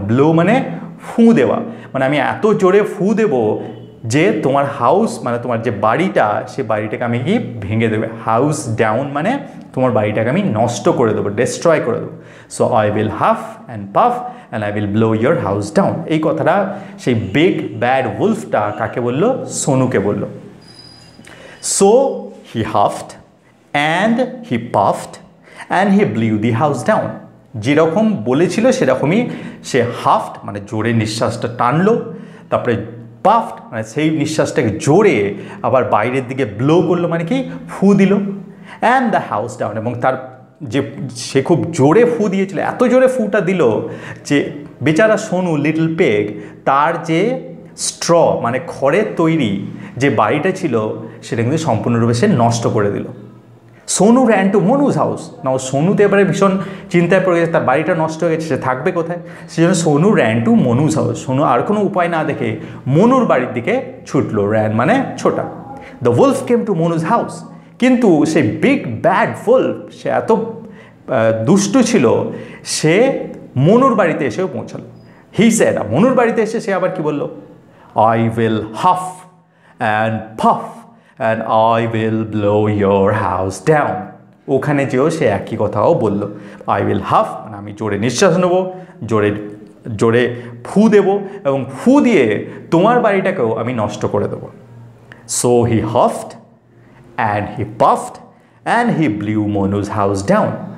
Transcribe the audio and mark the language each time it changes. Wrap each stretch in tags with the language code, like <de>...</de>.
<bn>Blow মানে ফু দেওয়া, মানে আমি এত জোরে ফু দেব যে তোমার হাউস মানে তোমার যে বাড়িটা সে বাড়িটাকে আমি কি ভেঙে দেবে. হাউস ডাউন মানে তোমার বাড়িটাকে আমি নষ্ট করে দেবো, ডিস্ট্রয় করে দেবো.</bn> <en>So I will huff and puff and I will blow your house down.</en> <bn>এই কথাটা সেই বিগ ব্যাড উলফটা কাকে বলল? সোনুকে বলল.</bn> <en>So he huffed and he puffed and he blew the house down.</en> <bn>যেরকম বলেছিল সেরকমই সে হাফড মানে জোরে নিঃশ্বাসটা টানলো, তারপরে পাফড মানে সেই নিঃশ্বাসটাকে জোরে আবার বাইরের দিকে ব্লো করলো মানে কি ফু দিল,</bn> <en>and the house down,</en> <bn>এবং তার যে সে খুব জোরে ফু দিয়েছিল, এত জোরে ফুটা দিল যে বেচারা সোনু লিটল পেগ তার যে স্ট্র মানে খড়ের তৈরি যে বাড়িটা ছিল সেটা কিন্তু সম্পূর্ণরূপে সে নষ্ট করে দিল.</bn> <en>Sonu ran to Manu's house.</en> <bn>নাও সোনুতে এবারে ভীষণ চিন্তায় পড়ে গেছে, তার বাড়িটা নষ্ট হয়ে গেছে, সে থাকবে কোথায়? সেজন্য</bn> <en>Sonu ran to Manu's house.</en> <bn>Sonu আর কোনো উপায় না দেখে মনুর বাড়ির দিকে ছুটলো. র্যান মানে ছোটা.</bn> <en>the wolf came to Manu's house,</en> <bn>কিন্তু সে বিগ ব্যাড উলফ, সে এত দুষ্ট ছিল, সে মনুর বাড়িতে এসেও পৌঁছালো.</bn> <en>he sad,</en> <bn>মনুর বাড়িতে এসে সে আবার কি বলল?</bn> <en>I will huff and puff and I will blow your house down.</en> <bn>ওখানে যেও সে একই কথাও বলল,</bn> <en>I will huff</en> <bn>মানে আমি জোরে নিঃশ্বাস নেব, জোরে জোরে ফু দেব এবং ফু দিয়ে তোমার বাড়িটাকেও আমি নষ্ট করে দেব.</bn> <en>So he huffed and he puffed and he blew মনুজ house down.</en>